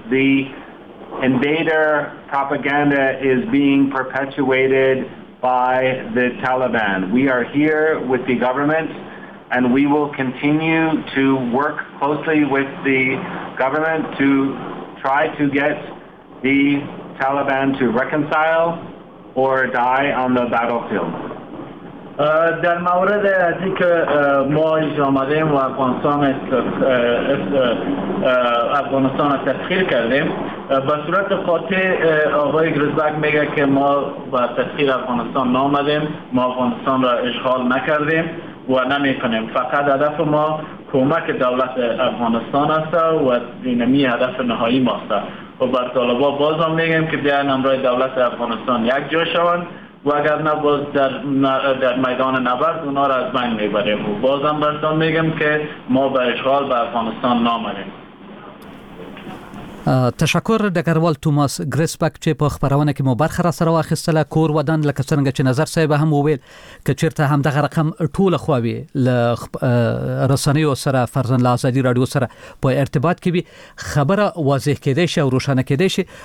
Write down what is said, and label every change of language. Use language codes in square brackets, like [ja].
[en] The invader propaganda is being perpetuated by the Taliban. We are here with the government, and we will continue to work closely with the government to try to get the Taliban to reconcile or die on the battlefield. [fa] در مورد از اینکه ما اینجا آمدیم و افغانستان را تسخیر کردیم، به صورت قاطع آقای گرزبک میگه که ما به تسخیر افغانستان نامدیم، ما افغانستان را اشغال نکردیم و نمی کنیم. فقط هدف ما کمک دولت افغانستان است و اینمی هدف نهایی ماست. و بر طالبا باز هم میگم که بیان امرای دولت افغانستان یک جا شوند و اگر نه باز در میدان نبرد اونا را از بین میبریم. و باز هم بر طالبا میگم که ما به اشغال به افغانستان نامدیم. [ps] تشکر ډګروال توماس ګریسپک چې په خبرونه کې مو برخه را سره واخیستله. کور ودان لکه څنګه چې نظر صاحب هم وویل که چیرته هم دغه رقم ټوله خواوي له رسنیو سره فرزن له ازادي راډیو سره په ارتباط کې وي خبره واضح کېدای شي او روښانه کېدای شي.